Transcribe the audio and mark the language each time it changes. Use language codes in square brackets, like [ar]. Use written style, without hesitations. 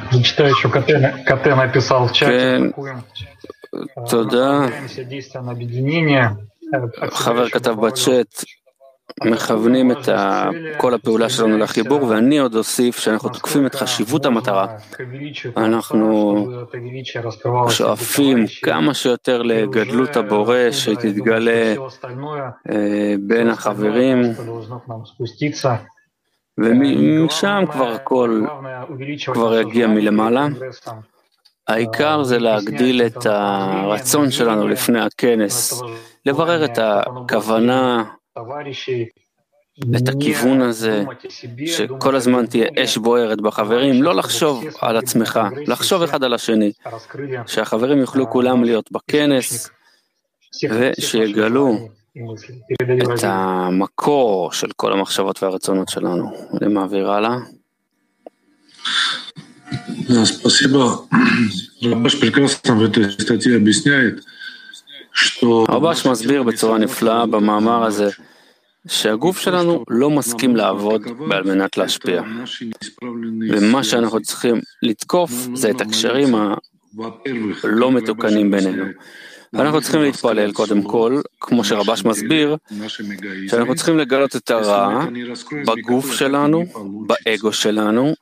[ru] Зачитаю еще Катэ написал в чате. Туда. [he] חבר כתב בצ'אט, מכוונים את כל הפעולה שלנו לחיבור, ואני עוד אוסיף שאנחנו תוקפים את חשיבות המטרה. אנחנו שואפים כמה שיותר לגדלות הבורא, שתתגלה בין החברים, ומשם כבר הכל כבר יגיע מלמעלה. העיקר זה להגדיל את הרצון שלנו לפני הכנס, לברר את הכוונה, את הכיוון הזה, שכל הזמן תהיה אש בוערת בחברים, לא לחשוב על עצמך, לחשוב אחד על השני, שהחברים יוכלו כולם להיות בכנס, ושיגלו את המקור של כל המחשבות והרצונות שלנו. אני מעביר הלאה. [ru] Спасибо. Рабаш прекрасно в этой статье объясняет, что... [he] Рабаш מסביר בצורה נפלאה במאמר הזה שהגוף שלנו לא מסכים לעבוד בעל מנת להשפיע. ומה שאנחנו צריכים לתקוף זה את הקשרים הלא מתוקנים בינינו. אנחנו צריכים להתפלל קודם כל, כמו שרבש מסביר, שאנחנו צריכים לגלות את הרע בגוף שלנו, באגו שלנו.